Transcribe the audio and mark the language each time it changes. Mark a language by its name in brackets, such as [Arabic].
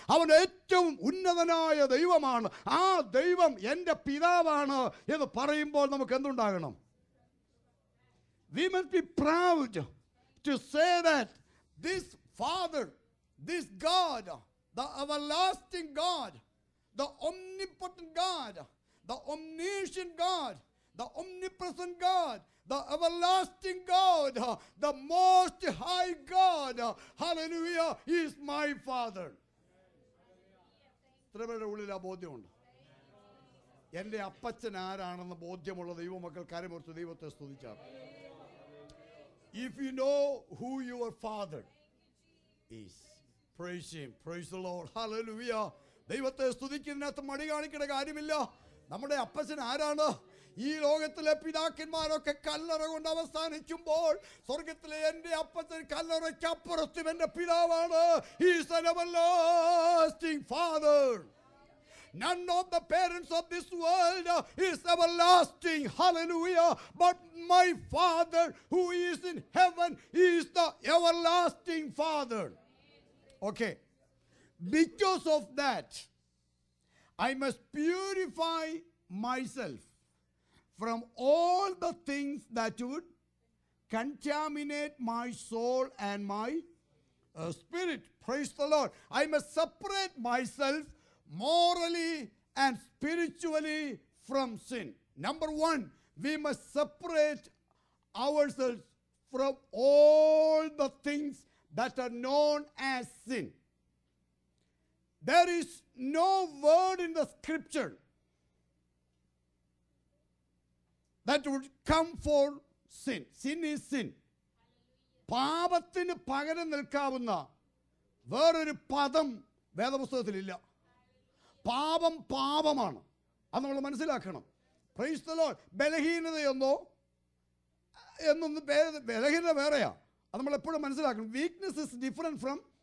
[Malayalam] Avan ഏറ്റവും ഉന്നതനായ ദൈവമാണ്. ആ ദൈവം എന്റെ പിതാവാണ് എന്ന് പറയുമ്പോൾ നമുക്ക് എന്തുണ്ടാകണം? [English] We must be proud to say that this Father, this God, the everlasting God, the omnipotent God, the omniscient God, the omnipresent God, the everlasting God, the most high God, hallelujah, is my Father. [Malayalam] ഇത്രപേരുടെ ഉള്ളിൽ ആ ബോധ്യമുണ്ട്. എൻ്റെ അപ്പച്ചൻ ആരാണെന്ന് ബോധ്യമുള്ള ദൈവമക്കൾ കാര്യമുറിച്ച് ദൈവത്തെ സ്തുതിച്ചാണ്. [English] If you know who your father is, praise him. Praise the Lord. Hallelujah. [Malayalam] ദൈവത്തെ സ്തുതിക്കുന്നതിനകത്ത് മടി കാണിക്കേണ്ട കാര്യമില്ല. നമ്മുടെ അപ്പച്ചൻ ആരാണ്? ഈ ലോകത്തിലെ പിതാക്കന്മാരൊക്കെ കല്ലറ കൊണ്ട് അവസാനിക്കുമ്പോൾ സ്വർഗത്തിലെ എന്റെ അപ്പച്ചൻ കല്ലറയ്ക്കപ്പുറത്തും എന്റെ പിതാവാണ്. [English] He is an everlasting father. None of the parents of this world is everlasting. Hallelujah. But my Father who is in heaven is the everlasting Father. Okay. Because of that, I must purify myself from all the things that would contaminate my soul and my spirit. Praise the Lord. I must separate myself morally and spiritually from sin. Number one, we must separate ourselves from all the things that are known as sin. There is no word in the scripture that would come for sin. Sin is sin. [Malayalam] പാപത്തിനു പകരം നിൽക്കാവുന്ന വേറൊരു പദം വേദപുസ്തകത്തിലില്ല. പാപം പാപമാണ് അത് നമ്മൾ മനസ്സിലാക്കണം. [English] Praise the Lord. [Malayalam] ബലഹീനതയൊന്നോ എന്നൊന്ന് ബലഹീനത വേറെയാ, അത് നമ്മൾ എപ്പോഴും മനസ്സിലാക്കണം. [English] weakness is different from